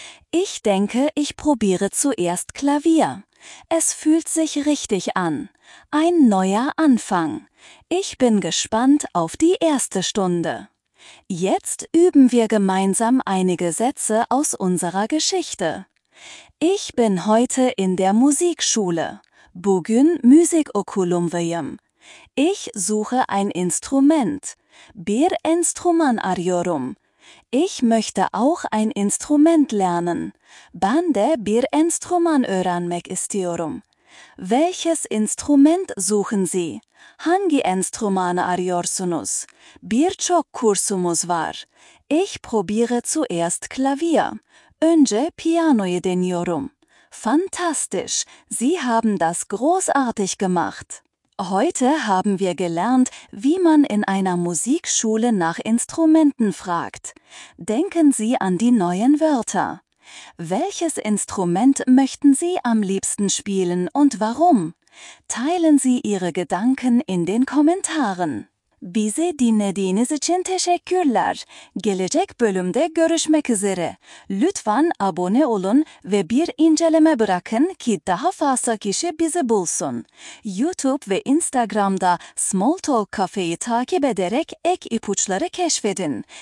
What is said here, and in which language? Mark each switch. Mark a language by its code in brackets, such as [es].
[de] Ich denke, ich probiere zuerst Klavier. Es fühlt sich richtig an. Ein neuer Anfang. Ich bin gespannt auf die erste Stunde. Jetzt üben wir gemeinsam einige Sätze aus unserer Geschichte. Ich bin heute in der Musikschule. [tr] Bugün Musikokulum vayım. [de] Ich suche ein Instrument. [tr] Bir enstrüman arıyorum. [de] Ich möchte auch ein Instrument lernen. [tr] Ben de bir enstrüman öğrenmek istiyorum. [de] Welches Instrument suchen Sie? [tr] Hangi enstrümanı arıyorsunuz? Birçok kursumuz var. [de] Ich probiere zuerst Klavier. [tr] Önce piyanoyu deniyorum. [de] Fantastisch! Sie haben das großartig gemacht. Heute haben wir gelernt, wie man in einer Musikschule nach Instrumenten fragt. Denken Sie an die neuen Wörter. Welches Instrument möchten Sie am liebsten spielen und warum? Teilen Sie Ihre Gedanken in den Kommentaren. [tr] Bizi dinlediğiniz için teşekkürler. Gelecek bölümde görüşmek üzere. Lütfen abone olun ve bir inceleme bırakın ki daha fazla kişi bizi bulsun. YouTube ve Instagram'da Small Talk Cafe'yi takip ederek ek ipuçları keşfedin.